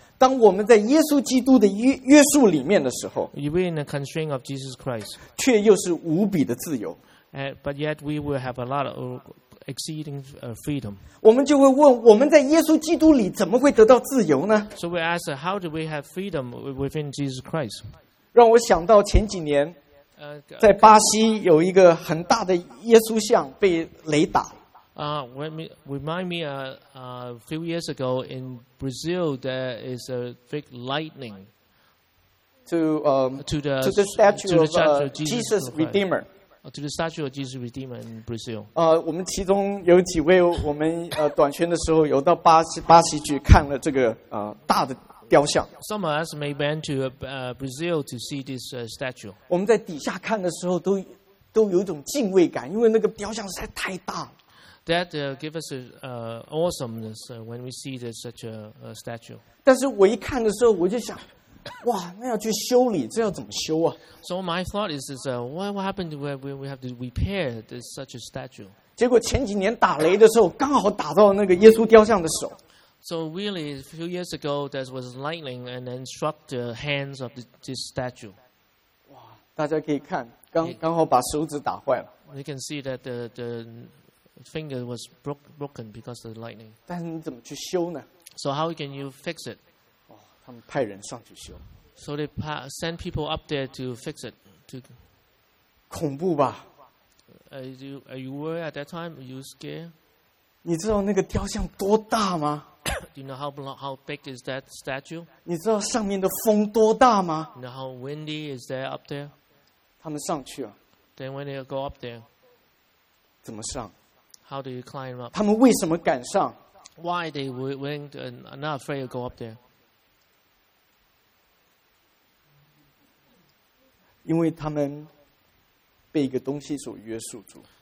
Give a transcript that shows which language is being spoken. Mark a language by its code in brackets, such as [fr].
[zh] 当我们在耶稣基督的约束里面的时候 [en] ，We are in the constraint of Jesus Christ. [zh] 却又是无比的自由。 [en] But yet we will have a lot of exceeding freedom. [zh] 我们就会问，我们在耶稣基督里怎么会得到自由呢 [en] ？So we ask, how do we have freedom within Jesus Christ? [zh] 让我想到前几年，在巴西有一个很大的耶稣像被雷打。 [en] Remind me, a few years ago in Brazil, there is a big lightning to the statue of Jesus Redeemer. To the statue of Jesus Redeemer in Brazil. [zh] 我们其中有几位，我们短宣的时候有到巴西去看了这个大的雕像。 [en] Some of us may went to Brazil to see this statue. [zh] 我们在底下看的时候都有一种敬畏感，因为那个雕像实在太大。 [en] That gives us awesomeness when we see this such a statue. [zh] 但是我一看的时候，我就想，哇，那要去修理，这要怎么修啊 [en] ？So my thought is what happened when we have to repair this such a statue? [zh] 结果前几年打雷的时候，刚好打到那个耶稣雕像的手。 [en] So really, a few years ago, there was lightning and then struck the hands of this statue. [zh] 哇，大家可以看，刚好把手指打坏了。 [en] You can see that the finger was broken because of the lightning. [zh] 但是你怎么去修呢 [en] ？So how can you fix it? [zh] 哦，他们派人上去修。 [en] So they send people up there to fix it. [zh] 恐怖吧 [en] ？Are you worried at that time? Are you scared? [zh] 你知道那个雕像多大吗？ [en] Do you know how big is that statue? [zh] 你知道上面的风多大吗 [en] ？You know how windy is there up there? [zh] 他们上去了。 [en] Then when they go up there, [zh] 怎么上 [en] ？How do you climb up? [zh] 他们为什么敢上 [en] ？Why they willing and not afraid to go up there? [zh] 因为他们被一个东西所约束住。